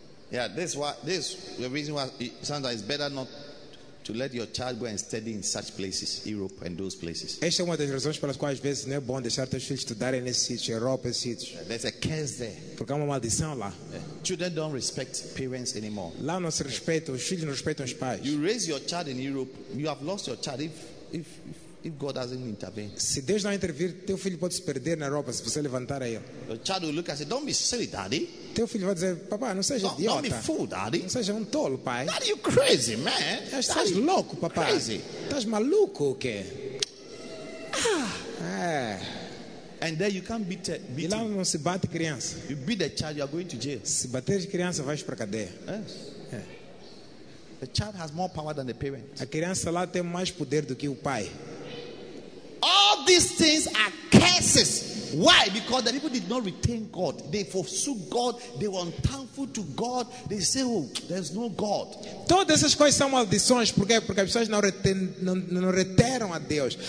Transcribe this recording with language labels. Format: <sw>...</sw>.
<en>Yeah, this the reason why sometimes it's better not to let your child go and study in such places, Europe and those places.</en> <pt>Esta é uma das razões pelas quais às vezes não é bom deixar teus filhos estudarem nesses sítios, Europa, esses sítios.</pt> <en>There's a curse there.</en> <pt>Porque há uma maldição lá.</pt> <en>Yeah. Children don't respect parents anymore.</en> <pt>Lá não se respeita, os filhos não respeitam os pais.</pt> <en>You raise your child in Europe, you have lost your child if God doesn't intervene.</en> <pt>Se Deus não intervir, teu filho pode se perder na Europa se você levantar a ele.</pt> <en>Your child will look and say, "Don't be silly, daddy."</en> <pt>Teu filho vai dizer, papá, não seja</pt> <en>don't,</en> <pt>idiota.</pt> <en>Don't be fool, daddy.</en> <pt>Não seja tolo, pai.</pt> <en>Daddy, you crazy, man.</en> <pt>Estás louco, papá.</pt> <en>Crazy.</en> <pt>Estás maluco, o quê? Ah. É.</pt> <en>And then you can't beat</en> <pt>e lá não se bate criança.</pt> <en>You beat the child, you are going to jail.</en> <pt>Se bater de criança, vais para cadeia.</pt> <en>The child has more power than the parent.</en> <pt>A criança lá tem mais poder do que o pai.</pt> <en>All these things are curses. Why? Because the people did not retain God. They forsook God. They were unthankful to God. They say, "Oh, there's no God."</en> <pt>Todas essas coisas são maldições. Por quê? Porque as pessoas não reteram a Deus.</pt>